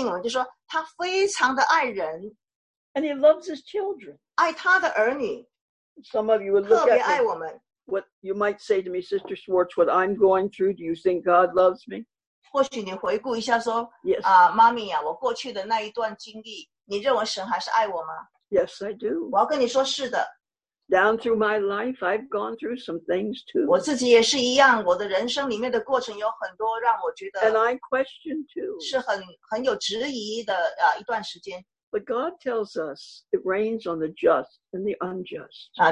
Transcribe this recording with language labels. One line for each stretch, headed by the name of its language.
Chinese: 最里面的最让我们注重的一点呢，让吸引我们，就是说他非常的爱人，
English: and he loves his children.
Chinese: 爱他的儿女。
English: Some of you would look at me, what you might say to me, Sister Schwartz, what I'm going through. Do you think God loves me?
Chinese: 或许你回顾一下说，
English: yes.
Chinese: 妈咪呀，我过去的那一段经历，你认为神还是爱我吗？
English: Yes, I do.
Chinese: 我要跟你说是的。
English: Down through my life, I've gone through some things too.
Chinese: 我自己也是一样，我的人生里面的过程有很多让我觉得。
English: And I question too.
Chinese: 是很有质疑的一段时间。
English: But God tells us it rains on the just and the unjust.